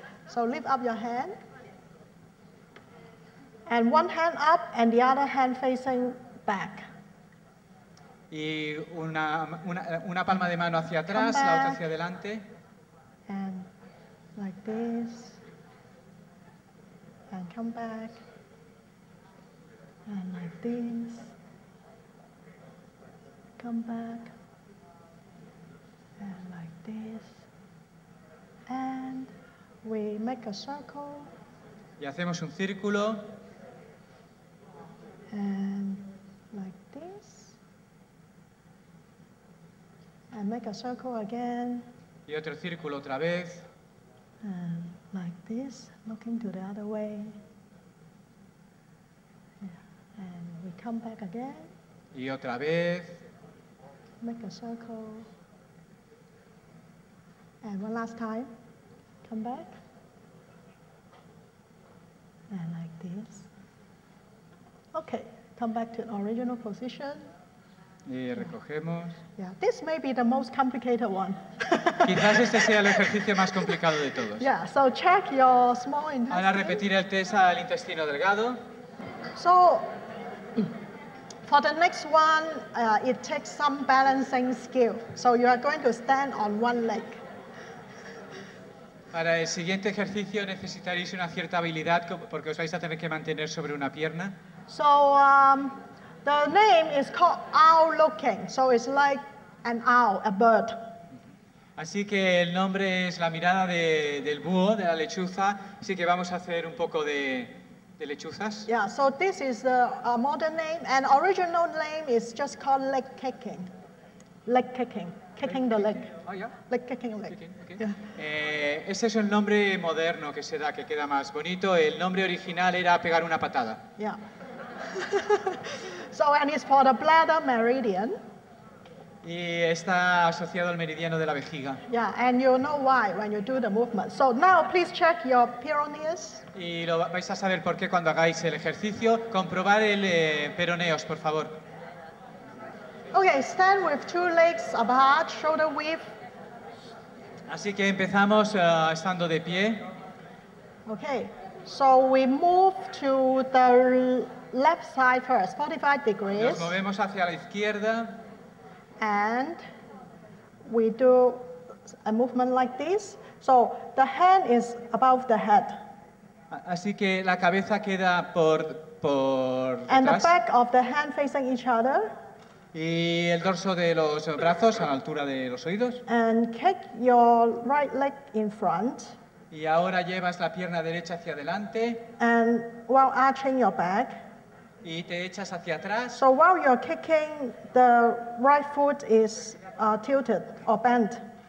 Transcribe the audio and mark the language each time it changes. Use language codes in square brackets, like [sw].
[en] So lift up your hand, and one hand up, and the other hand facing back. [es] Y una palma de mano hacia atrás, la otra hacia adelante. [en] And like this, and come back, and like this, come back, and like this, and we make a circle. [es] Y hacemos un círculo. [en] And like this. And make a circle again. [es] Y otro círculo otra vez. [en] Like this, looking to the other way. And we come back again. [es] Y otra vez. [en] Make a circle. And one last time. Come back. And like this. Okay, come back to the original position. [es] Y recogemos. [en] Yeah, this may be the most complicated one. [es] Quizás este sea el ejercicio más complicado de todos. [en] Yeah, so check your small intestine. [es] Ahora repetir el test al intestino delgado. [en] So, for the next one, it takes some balancing skill. So you are going to stand on one leg. [es] Para el siguiente ejercicio necesitaréis una cierta habilidad porque os vais a tener que mantener sobre una pierna. [en] So, the name is called owl looking. So it's like an owl, a bird. [es] Así que el nombre es la mirada del búho, de la lechuza. Así que vamos a hacer un poco de lechuzas. [en] Yeah, so this is a modern name. And original name is just called leg kicking. Leg kicking. Kicking the leg. Oh, yeah. Leg kicking the leg. Okay. [es] Ese es el nombre moderno que se da, que queda más bonito. El nombre original era pegar una patada. [en] Yeah. So, and it's for the bladder meridian. [es] Y está asociado al meridiano de la vejiga. [en] Yeah, and you know why when you do the movement. So now please check your peroneus. [es] Y lo vais a saber por qué cuando hagáis el ejercicio. Comprobar el peroneos, por favor. [en] Okay, stand with two legs apart, shoulder width. [es] Así que empezamos estando de pie. [en] Okay, so we move to the left side first, 45 degrees. [es] Nos movemos hacia la izquierda. [en] And we do a movement like this. So the hand is above the head. [es] Así que la cabeza queda por detrás. [en] And the back of the hand facing each other. [es] Y el dorso de los brazos a la altura de los oídos. [en] And kick your right leg in front. [es] Y ahora llevas la pierna derecha hacia adelante. [en] And while arching your back. [es] Y te echas hacia atrás. [en] So while you're kicking, the right foot is tilted or bent.